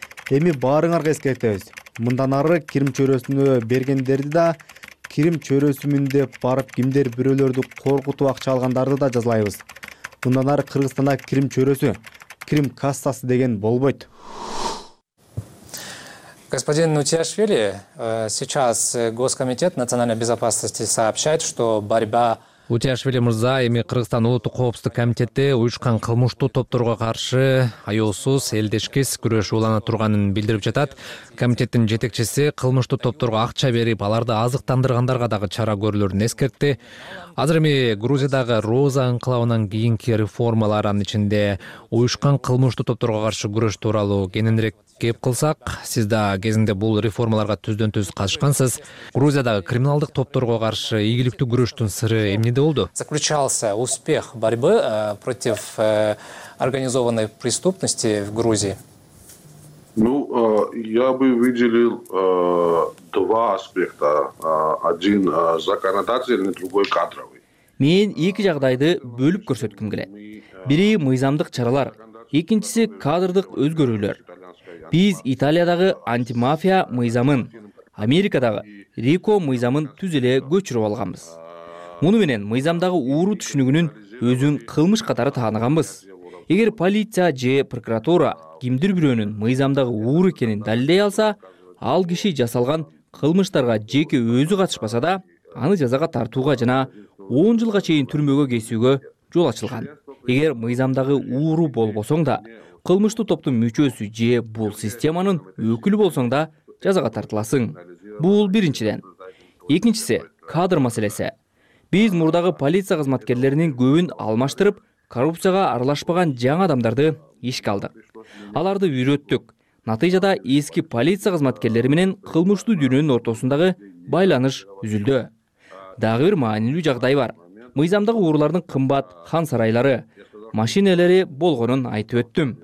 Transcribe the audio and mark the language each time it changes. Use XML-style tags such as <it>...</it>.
<ky>Эми баарыңарга эскертебиз. Мындан ары Крым чөйрөсүнө бергендерди да Крым чөйрөсү мүндө барып кимдер бирөөлөрдү коркутуп акча алгандарды да жазалайбыз. Мындан ары Кыргызстанда Крым чөйрөсү, Крым кассасы деген болбойт.</ky> <ru>Господин Утиашвили, сейчас Госкомитет национальной безопасности сообщает, что борьба...</ru> <ky>Утиашвили мырза, эми Кыргызстан улуттук коопсуздук комитети уюшкан кылмыштуу топторго каршы аёосуз элдешкис күрөш улана турганын билдирип жатат. Комитеттин жетекчиси кылмыштуу топторго акча берип, аларды азыктандыргандарга дагы чара көрүлөрүн эскертти. Азыр эми Грузиядагы Роза инкылабынан кийинки реформалардын ичинде уюшкан кылмыштуу топторго каршы күрөш тууралуу кененирээк кеп кылсак, сиз да кезинде бул реформаларга түздөн түз катышкансыз. Грузиядагы криминалдык топторго каршы ийгиликтүү күрөштүн сыры эмнеде болду?</ky> <ru>Заключался успех борьбы против организованной преступности в Грузии. Я бы выделил два аспекта. Один законодательный, другой кадровый.</ru> <ky>Мен эки жагдайды бөлүп көрсөткүм келет. Бири мыйзамдык чаралар, экинчиси кадрдык өзгөрүүлөр. Биз Италиядагы антимафия мыйзамын, Америкадагы РИКО мыйзамын түз эле көчүрүп алганбыз. Муну менен мыйзамдагы ууру түшүнүгүнүн өзүн кылмыш катары тааныганбыз. Эгер полиция же прокуратура кимдир бирөөнүн мыйзамдагы ууру экенин далилдей алса, ал киши жасалган кылмыштарга жеке өзү катышпаса да, аны жазага тартууга жана 10 жылга чейин түрмөгө кесүүгө жол ачылган. Эгер мыйзамдагы ууру болбосоң да, кылмыштуу топтун мүчөсү же бул системанын өкүлү болсоң да жазага тартыласың. Бул биринчиден. Экинчиси кадр маселеси. Биз мурдагы полиция кызматкерлеринин көбүн алмаштырып, коррупцияга аралашпаган жаңы адамдарды ишке алдык. Аларды үйрөттүк. Натыйжада эски полиция кызматкерлери менен кылмыштуу дүйнөнүн ортосундагы байланыш үзүлдү. Дагы бир маанилүү жагдай бар. Мыйзамдагы уурлардын кымбат хан сарайлары, машинелери болгонун айтып өттүм.</ky>